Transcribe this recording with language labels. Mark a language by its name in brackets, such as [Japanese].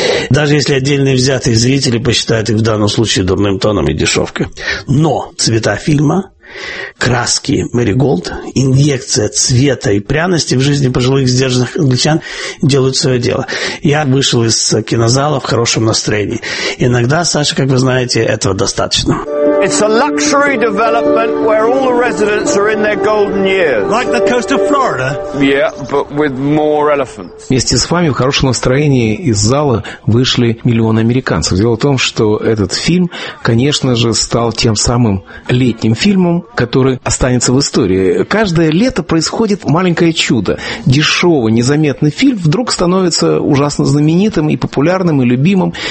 [Russian] Даже если отдельные взятые зрители посчитают их в данном случае дурным тоном и дешевкой. Но цвета фильма, краски Мэри Голд, инъекция цвета и пряности в жизни пожилых сдержанных англичан делают свое дело. Я вышел из кинозала в хорошем настроении. Иногда, Саша, как вы знаете, этого достаточно. [English] It's a luxury development where all the residents are in their golden years. Like the coast of Florida. Yeah, but with more elephants. [Russian] Вместе с вами в хорошем настроении из зала вышли миллионы американцев. Дело в том, что этот фильм, конечно же, стал тем самым летним фильмом, который останется в истории. Каждое лето происходит маленькое чудо. Дешевый, незаметный фильм вдруг становится ужасно знаменитым и популярным, и любимым.